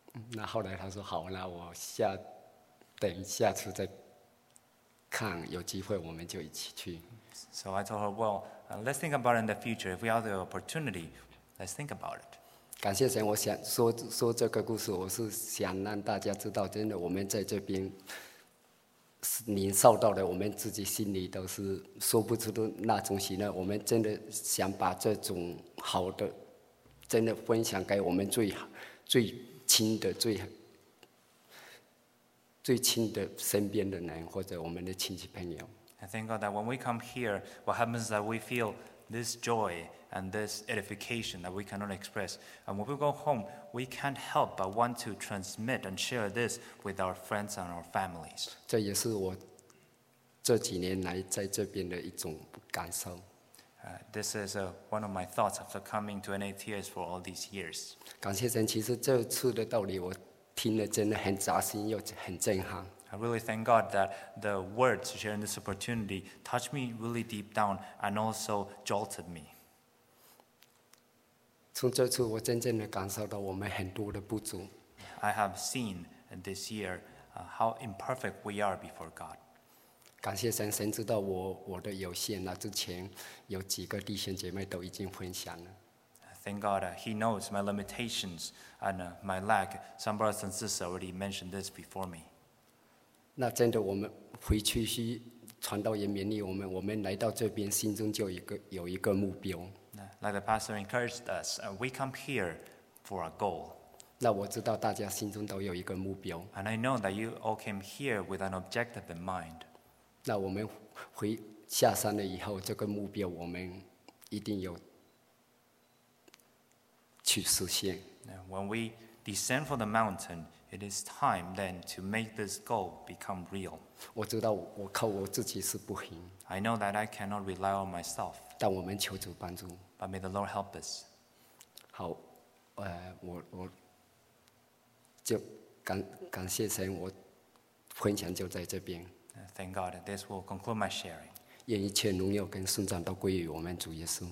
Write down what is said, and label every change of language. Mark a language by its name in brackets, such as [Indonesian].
[Chinese] 那后来他说好，那我等下次再看，有机会我们就一起去。 [English] So I told her, "Well, let's think about it in the future. If we have the opportunity, let's think about it." [Chinese] 感谢神，我想说这个故事，我是想让大家知道，真的我们在这边领受到的，我们自己心里都是说不出的那种喜乐。我们真的想把这种好的，真的分享给我们最亲的身边的人，或者我们的亲戚朋友。 [English] I thank God that when we come here, what happens is that we feel this joy and this edification that we cannot express. And when we go home, we can't help but want to transmit and share this with our friends and our families. [Chinese] 这也是我这几年来在这边的一种感受。 [English] This is one of my thoughts after coming to NATS for all these years. [Chinese] 感谢神，其实这次的道理我听了真的很扎心又很震撼。 [English] I really thank God that the words sharing this opportunity touched me really deep down and also jolted me. [Chinese] 从这次我真正的感受到我们很多的不足。 [English] I have seen this year how imperfect we are before God. [Chinese] 感谢神，神知道我的有限了。之前有几个弟兄姐妹都已经分享了。 [English] Thank God, He knows my limitations and my lack. Some brothers and sisters already mentioned this before me. [Chinese] 那真的，我们回去去传道人勉励我们，我们来到这边，心中就有一个目标。 [English] Like the pastor encouraged us, we come here for a goal. [Chinese] 那我知道大家心中都有一个目标。 [English] And I know that you all came here with an objective in mind. [Chinese] 那我们回下山了以后，这个目标我们一定要去实现。 [English] When we descend from the mountain, it is time then to make this goal become real. [Chinese] 我知道我靠我自己是不行。 [English] I know that I cannot rely on myself. [Chinese] 但我们求主帮助。 [English] But may the Lord help us. [Chinese] 好，我就感谢神，我分享就在这边。 [English] Thank God, this will conclude my sharing. [Chinese] 愿一切荣耀跟颂赞都归于我们主耶稣。